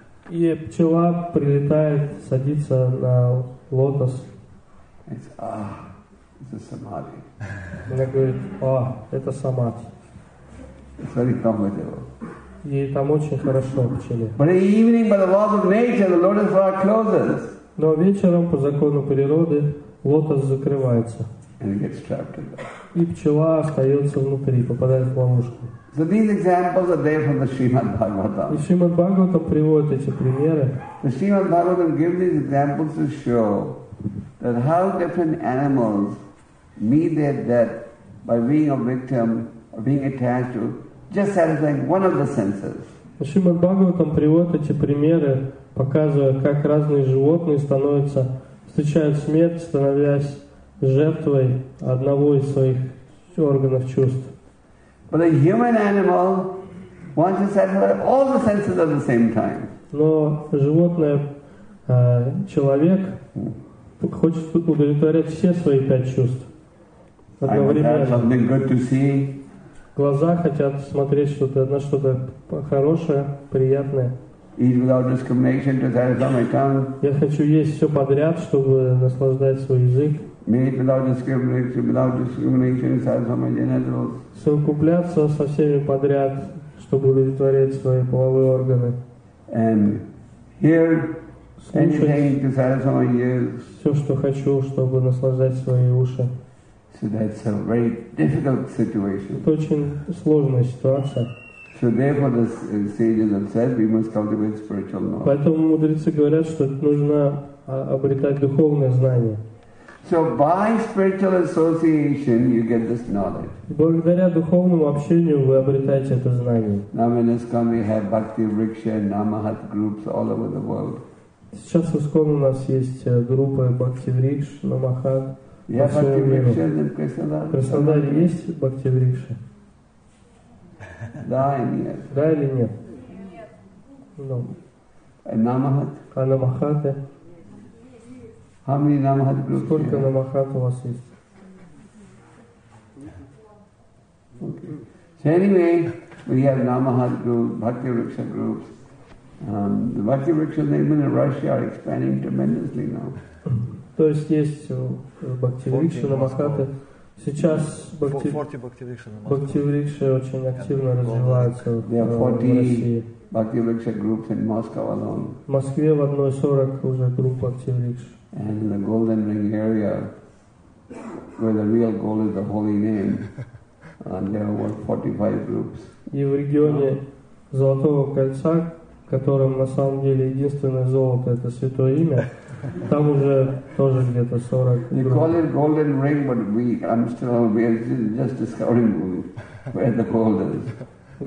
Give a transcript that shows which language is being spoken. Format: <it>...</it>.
<ru>И пчела прилетает, садится на лотос.</ru> <en>It's a samadhi.</en> <ru>Она говорит: "О, это самадхи."</ru> <en>It's very comfortable.</en> <ru>И там очень хорошо пчели.</ru> <en>But in the evening, by the laws of nature, the lotus flower closes.</en> <ru>Но вечером по закону природы лотос закрывается.</ru> <en>And it gets trapped in there.</en> <ru>И пчела остается внутри, попадает в ловушку.</ru> <en>So these examples are there from the Srimad Bhagavatam.</en> <ru>И Srimad Bhagavatam приводит эти примеры.</ru> <en>The Srimad Bhagavatam gives these examples to show that how different animals meet their death by being a victim or being attached to just satisfying one of the senses.</en> <ru>Srimad Bhagavatam приводит эти примеры, показывая, как разные животные становятся, встречают смерть, становясь жертвой одного из своих органов чувств.</ru> <en>But a human animal wants to satisfy all the senses at the same time.</en> <ru>Но животное, человек хочет удовлетворять все свои пять чувств одновременно.</ru> <en>Eyes want something good to see.</en> <ru>Глаза хотят смотреть что-то, на что-то хорошее, приятное.</ru> <en>Eat without discrimination to satisfy my tongue.</en> <ru>Я хочу есть все подряд, чтобы наслаждать свой язык.</ru> <en>Meat without discrimination to satisfy my genitals.</en> <ru>Совокупляться со всеми подряд, чтобы удовлетворять свои половые органы.</ru> <en>And hear anything to satisfy my ears.</en> <ru>Все, что хочу, чтобы наслаждать свои уши.</ru> <en>So that's a very difficult situation.</en> <ru>Это очень сложная ситуация.</ru> <en>So therefore, the sages have said we must cultivate spiritual knowledge.</en> <ru>Поэтому мудрецы говорят, что нужно обретать духовное знание.</ru> <en>So by spiritual association, you get this knowledge.</en> <ru>Благодаря духовному общению вы обретаете это знание.</ru> <en>Now in ISKCON we have Bhakti Vriksha and Namahat groups all over the world.</en> <ru>Сейчас в ISKCON у нас есть группы Bhakti Vriksha, Namahat. Я Bhakti Vriksha и Krishnadar. Krishnadar есть Bhakti Vriksha? Да или нет? Да или нет? Нет. А Намахат? А Намахаты? Сколько намахат у вас есть?</ru> <en>So anyway, we have Namahat groups, Bhakti Vriksha groups. The Bhakti Vriksha movement in Russia are expanding tremendously now.</en> <ru>То есть есть Бхакти Врикша Намахаты. Сейчас Бхакти Врикша очень активно развивается в России.</ru> <en>40 Bhakti Vriksha groups in Moscow alone.</en> <ru>В Москве в одной 40 уже групп Бхакти Врикша.</ru> <en>And in the Golden Ring area, where the real goal is the holy name. And there were 45 groups.</en> <ru>И в регионе Золотого кольца, которым на самом деле единственное золото это святое имя, там уже тоже где-то 40 групп.</ru> <en>You call it golden ring, but I'm still aware, just discovering where the gold is.</en>